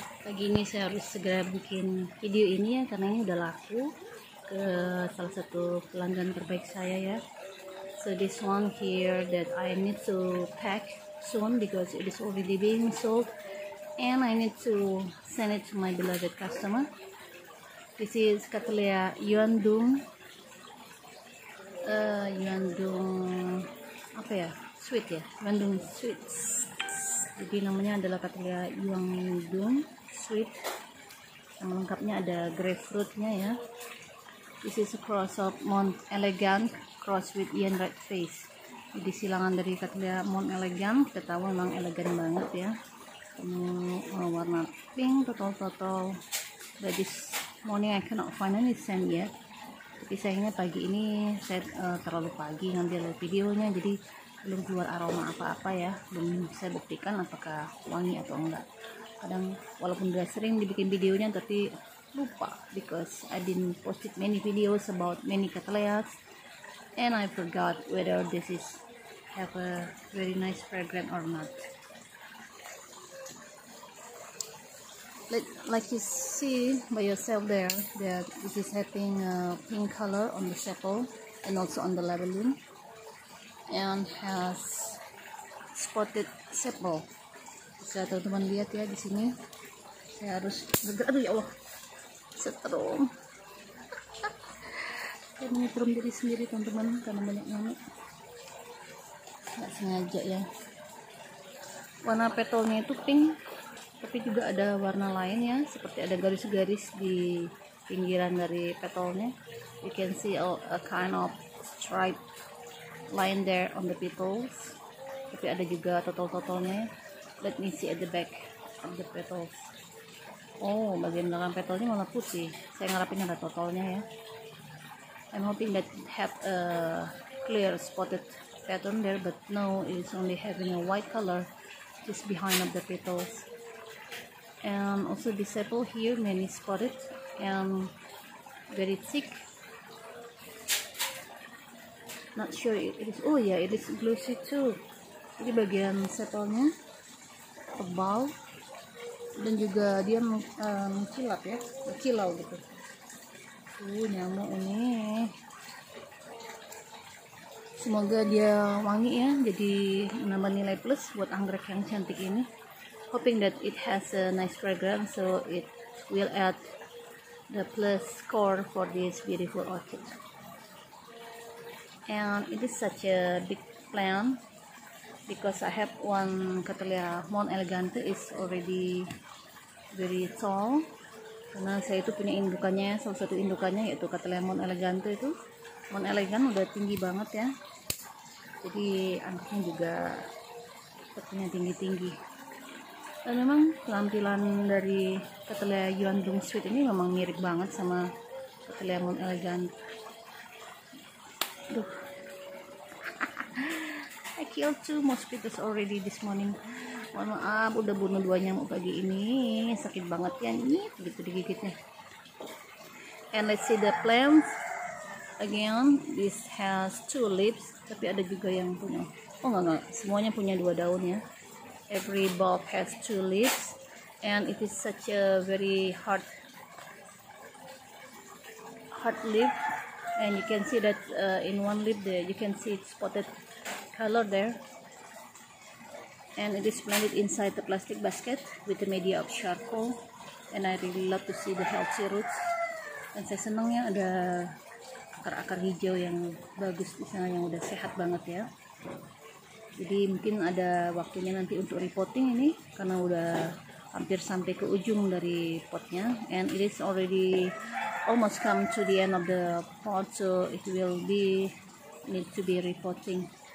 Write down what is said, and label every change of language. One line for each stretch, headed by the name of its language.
Indonesian: Pagi ini saya harus segera bikin video ini ya, karena ini udah laku ke salah satu pelanggan terbaik saya ya.
English: So this one here that I need to pack soon because it is already being sold and I need to send it to my beloved customer. This is Cattleya Yuandong.
Indonesian: Yuandong apa ya? Sweet ya. Yuandong sweets. Jadi namanya adalah Cattleya Yuandong Sweet. Yang lengkapnya ada grapefruitnya ya.
English: This is a cross of Mont Elegant cross with Yen Red Face.
Indonesian: Jadi silangan dari Cattleya Mont Elegant, kita tahu memang elegan banget ya. Warna pink total-total.
English: But this morning I cannot find any scent yet.
Indonesian: Tapi sayangnya pagi ini saya terlalu pagi ngambil videonya, jadi belum keluar aroma apa-apa ya, belum saya buktikan apakah wangi atau enggak. Kadang walaupun udah sering dibikin videonya tapi lupa,
English: because I didn't posted many videos about many cattleyas and I forgot whether this is have a very nice fragrance or not. Like you see by yourself there that this is having a pink color on the sepal and also on the labellum and has spotted sepal.
Indonesian: Bisa teman-teman lihat ya di sini. Saya harus bergerak dulu ya Allah. Setrum. Ini nyetrum diri sendiri teman-teman karena banyak nyamuk. Enggak sengaja ya. Warna petalnya itu pink, tapi juga ada warna lain ya, seperti ada garis-garis di pinggiran dari petalnya.
English: You can see a kind of stripe line there on the petals.
Indonesian: Tapi ada juga totol-totolnya.
English: Let me see at the back of the petals.
Indonesian: Oh, bagian belakang petalnya malah putih. Saya ngarepin ada totolnya ya.
English: I'm hoping that it have a clear spotted pattern there, but no, it's only having a white color just behind of the petals. And also the sepal here many spotted and very thick. Not sure it is. Oh yeah, it is glossy too.
Indonesian: Jadi bagian sepalnya tebal dan juga dia mengkilap ya, berkilau gitu. Nyamuk ini. Semoga dia wangi ya. Jadi menambah nilai plus buat anggrek yang cantik ini.
English: Hoping that it has a nice fragrance, so it will add the plus score for this beautiful orchid. And it is such a big plant because I have one Cattleya Mont Elegante is already very tall.
Indonesian: Karena saya itu punya indukannya, salah satu indukannya yaitu Cattleya Mont Elegante itu. Mont Elegant udah tinggi banget ya. Jadi anggreknya juga sepertinya tinggi-tinggi. Dan memang penampilan dari Cattleya Yuandong Sweet ini memang mirip banget sama Cattleya Mont Elegant. Duh.
English: I killed two mosquitoes already this morning.
Indonesian: Mohon maaf, udah bunuh dua nyamuk pagi ini. Sakit banget ya, nyit gitu digigitnya.
English: And let's see the plants. Again, this has two leaves,
Indonesian: tapi ada juga yang punya. Oh enggak, semuanya punya dua daun ya.
English: Every bulb has two leaves and it is such a very hard leaf, and you can see that in one leaf there you can see it's spotted color there, and it is planted inside the plastic basket with the media of charcoal, and I really love to see the healthy roots.
Indonesian: And saya senangnya ada akar-akar hijau yang bagus di sana yang udah sehat banget ya. Jadi mungkin ada waktunya nanti untuk repotting ini karena udah hampir sampai ke ujung dari potnya,
English: and it is already almost come to the end of the pot, so it will be need to be repotting.